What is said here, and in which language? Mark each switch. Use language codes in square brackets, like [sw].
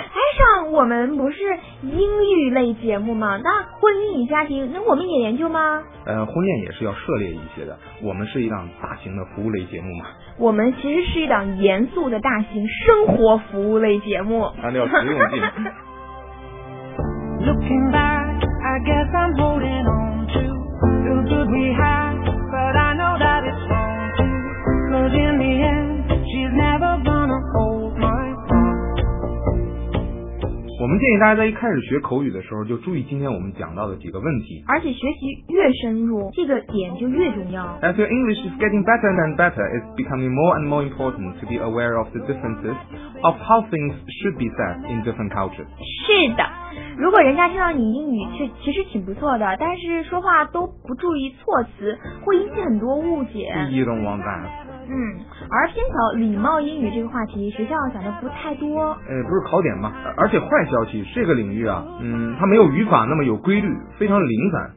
[zh] 还上我们不是英语类节目吗？那婚姻与家庭，那我们也研究吗？婚恋也是要涉猎一些的。我们是一档大型的服务类节目嘛。我们其实是一档严肃的大型生活服务类节目。那叫实用性。 [en] Looking back, I guess I'm holding on to. Good we have, but I know that it's wrong too. 'Cause in the end, she's never gonna hold my hand. [zh] 我们建议大家在一开始学口语的时候就注意今天我们讲到的几个问题，而且学习越深入这个点就越重要。 [en] As your English is getting better and better, it's becoming more and more important to be aware of the differences of how things should be said in different cultures. [zh] 是的，如果人家听到你英语其实挺不错的，但是说话都不注意措辞，会引起很多误解。 [en] You don't want that. [zh] 嗯，而偏巧礼貌英语这个话题学校讲的不太多，不是考点吗？而且坏消息，这个领域啊，它没有语法那么有规律，非常零散。